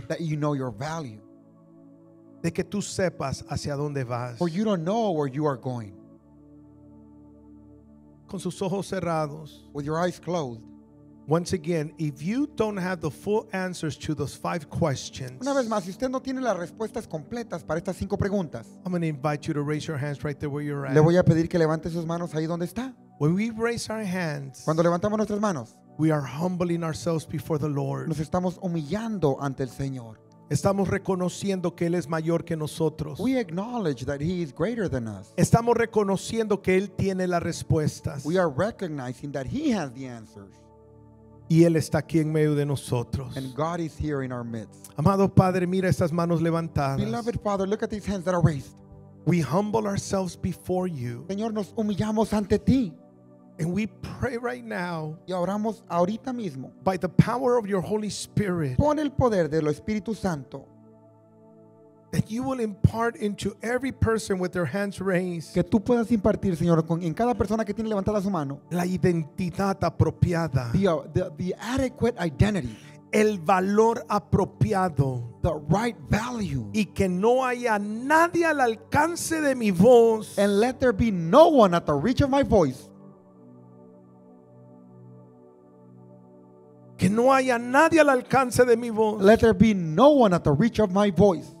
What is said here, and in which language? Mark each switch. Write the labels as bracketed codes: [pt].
[en] that you know your value, [es] de que tú sepas hacia dónde vas, [en] for you don't know where you are going. [es] Con sus ojos cerrados, [en] with your eyes closed. Once again, if you don't have the full answers to those five questions, [es] una vez más, si usted no tiene las respuestas completas para estas cinco preguntas, [en] I'm going to invite you to raise your hands right there where you're at. [es] Le voy a pedir que levante sus manos ahí donde está. [en] When we raise our hands, [es] cuando levantamos nuestras manos, [en] we are humbling ourselves before the Lord. [es] Nos estamos humillando ante el Señor. Estamos reconociendo que Él es mayor que nosotros. [en] We acknowledge that He is greater than us. [es] Estamos reconociendo que Él tiene las respuestas. [en] We are recognizing that He has the answers. [es] Y Él está aquí en medio de nosotros. [en] And God is here in our midst. [es] Amado Padre, mira estas manos levantadas. [en] Beloved Father, look at these hands that are raised. We humble ourselves before you. [es] Señor, nos humillamos ante ti. [en] And we pray right now. [es] Y oramos ahorita mismo. [en] By the power of your Holy Spirit. [es] Pon el poder del Espíritu Santo. [en] That you will impart into every person with their hands raised. [es] Que tú puedas impartir, Señor, en cada persona que tiene levantada su mano. La identidad apropiada. [en] The adequate identity. [es] El valor apropiado. [en] The right value. [es] Y que no haya nadie al alcance de mi voz. [en] And let there be no one at the reach of my voice. [es] Que no haya nadie al alcance de mi voz. [en] Let there be no one at the reach of my voice.